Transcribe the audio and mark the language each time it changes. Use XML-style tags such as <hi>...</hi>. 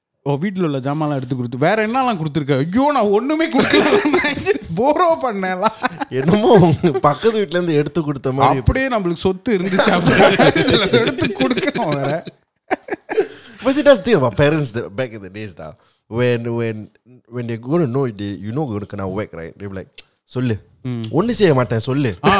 <ta>ஓ வீட்டில் உள்ள ஜாமான்லாம் எடுத்து கொடுத்து வேற என்னெல்லாம் கொடுத்துருக்கேன் ஐயோ நான் ஒன்றுமே கொடுக்கலாம் போரோ பண்ணலாம் என்னமோ பக்கத்து வீட்டிலேருந்து எடுத்து கொடுத்த மாதிரி அப்படியே நம்மளுக்கு சொத்து இருந்துச்சு அப்படியே எடுத்து கொடுக்கணும் வேற</ta> <en>Because it does think about parents back in the days now. When they're going to know, you know you're going to work, right? They're like,</en> <ta>சொல்லு ஒன்னு செய்ய மாட்டேன் சொல்லு</ta>